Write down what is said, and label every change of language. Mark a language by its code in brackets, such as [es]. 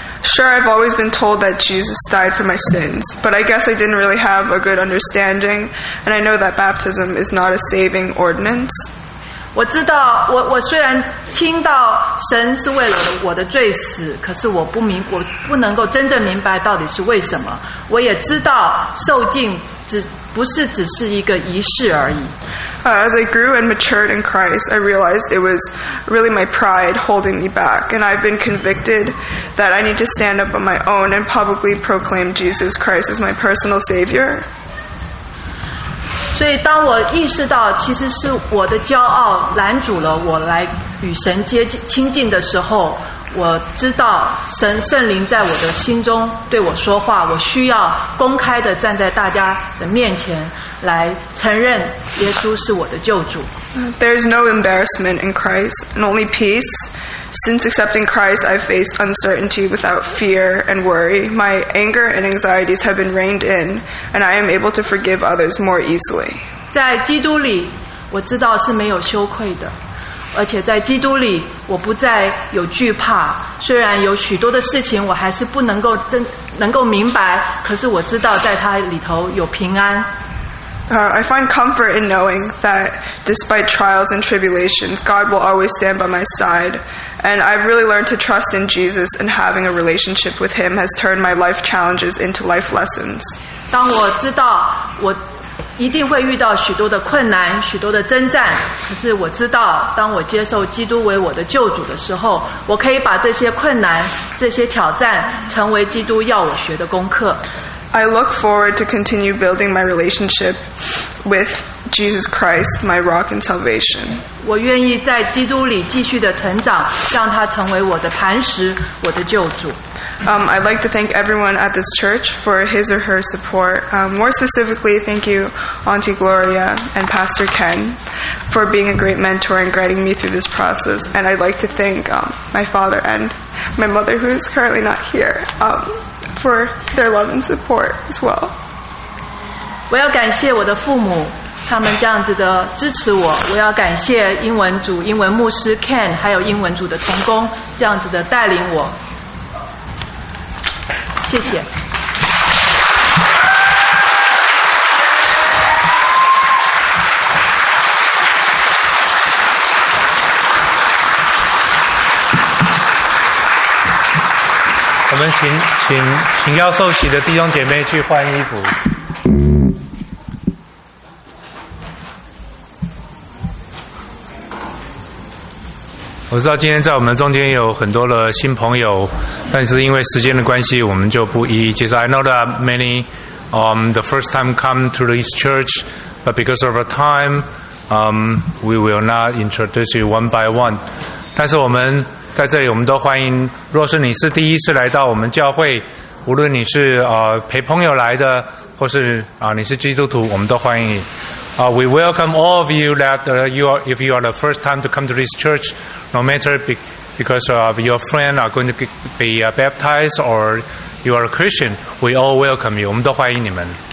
[en] Sure, I've always been told that Jesus died for my sins, but I guess I didn't really have a good understanding, and I know that baptism is not a saving ordinance. [zh] 我知道，我虽然听到神是为了我的罪死，可是我不能够真正明白到底是为什么。我也知道受浸不是只是一个仪式而已。 [en] As I grew and matured in Christ, I realized it was really my pride holding me back, and I've been convicted that I need to stand up on my own and publicly proclaim Jesus Christ as my personal Savior. [zh] 所以当我意识到其实是我的骄傲拦阻了我来与神接近亲近的时候，我知道神圣灵在我的心中对我说话，我需要公开的站在大家的面前来承认耶稣是我的救主。 [en] There is no embarrassment in Christ, and only peace. Since accepting Christ, I've faced uncertainty without fear and worry. My anger and anxieties have been reined in, and I am able to forgive others more easily. [zh] 在基督里，我知道是没有羞愧的，而且在基督里，我不再有惧怕。虽然有许多的事情我还是不能够明白，可是我知道在他里头有平安。 [en] I find comfort in knowing that despite trials and tribulations, God will always stand by my side. And I've really learned to trust in Jesus, and having a relationship with him has turned my life challenges into life lessons. [zh] 当我知道我一定会遇到许多的困难，许多的征战，可是我知道当我接受基督为我的救主的时候，我可以把这些困难，这些挑战成为基督要我学的功课。 [en] I look forward to continue building my relationship with Jesus Christ, my rock and salvation. [zh] 我愿意在基督里继续的成长，让他成为我的磐石，我的救主。 [en] I'd like to thank everyone at this church for his or her support. More specifically, thank you, Auntie Gloria and Pastor Ken, for being a great mentor and guiding me through this process. And I'd like to thank my father and my mother, who's currently not here, for their love and support as well. [zh] 我要感谢我的父母，他们这样子的支持我。我要感谢英文组、英文牧师 Ken， 还有英文组的同工，这样子的带领我。谢谢。我们请要受洗的弟兄姐妹去换衣服。我知道今天在我们中间有很多的新朋友，但是因为时间的关系，我们就不一一介绍。 [en] I know that many the first time come to this church, but because of our time, we will not introduce you one by one. [zh] 但是我们在这里，我们都欢迎。若是你是第一次来到我们教会，无论你是陪朋友来的，或是你是基督徒，我们都欢迎你。 [en] We welcome all of you that if you are the first time to come to this church, no matter because of your friend are going to be baptized or you are a Christian, we all welcome you. [zh] 我们都欢迎你们。